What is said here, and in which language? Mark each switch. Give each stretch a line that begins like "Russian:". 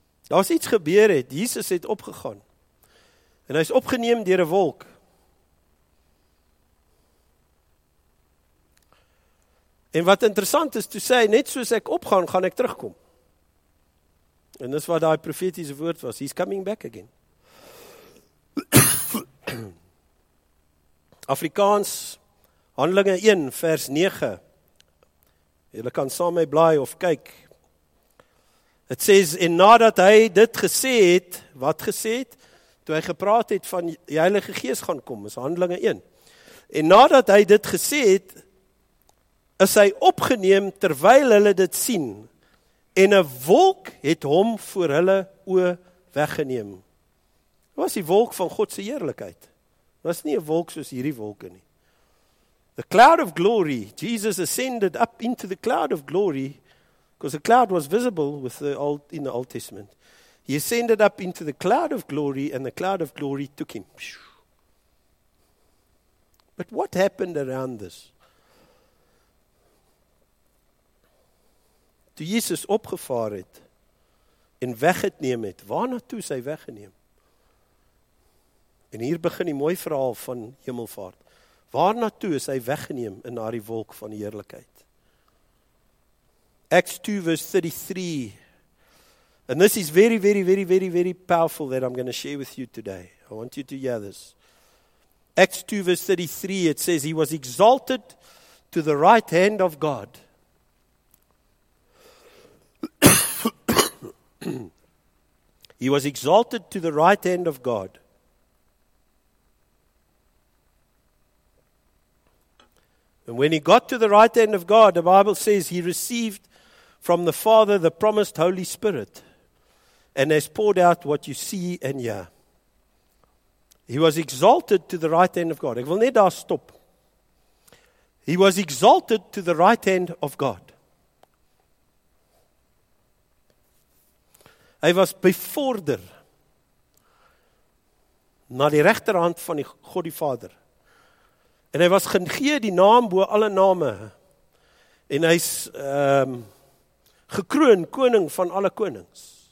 Afrikaans: Daar is iets gebeur het, Jesus het opgegaan. En hy is opgeneem deur 'n wolk. En wat interessant is, toe sê hy, net soos ek opgaan, gaan ek terugkom. En dis wat daai profetiese woord was,
English: he's coming back again.
Afrikaans: Afrikaans, Handelinge 1 vers 9. Julle kan saam my blaai of kyk. Dit sê, en nadat hy dit gesê het, wat gesê het, toe hy gepraat het van die Heilige Gees gaan kom, is Handelinge 1. En nadat hy dit gesê het, is hy opgeneem terwyl hulle dit sien, en 'n wolk het hom voor hulle oë weggeneem. Dit was die wolk van God se heerlikheid. Dit was nie 'n wolk soos hierdie wolke nie.
English: The cloud of glory, Jesus ascended up into the cloud of glory, because the cloud was visible with the old, in the Old Testament. He ascended up into the cloud of glory, and the cloud of glory took him. But what happened around this?
Afrikaans: Toe Jesus opgevaar het, en weggeneem het, waarna toe is hy weggeneem? En hier begin die mooi verhaal van hemelvaart. Waarna toe is hy weggeneem in na die wolk van heerlikheid?
English: Acts 2 verse 33. And this is very, very, very, very, very powerful that I'm going to share with you today. I want you to hear this. Acts 2 verse 33, it says, he was exalted to the right hand of God. He was exalted to the right hand of God. And when he got to the right hand of God, the Bible says he received from the Father the promised Holy Spirit and has poured out what you see and hear. He was exalted to the right hand of God.
Afrikaans: Ek wil net daar stop.
English: He was exalted to the right hand of God.
Afrikaans: Hy was bevorder na die regterhand van die God die Vader. En hy was gegee die naam bo alle name. En hy's gekroon koning van alle konings.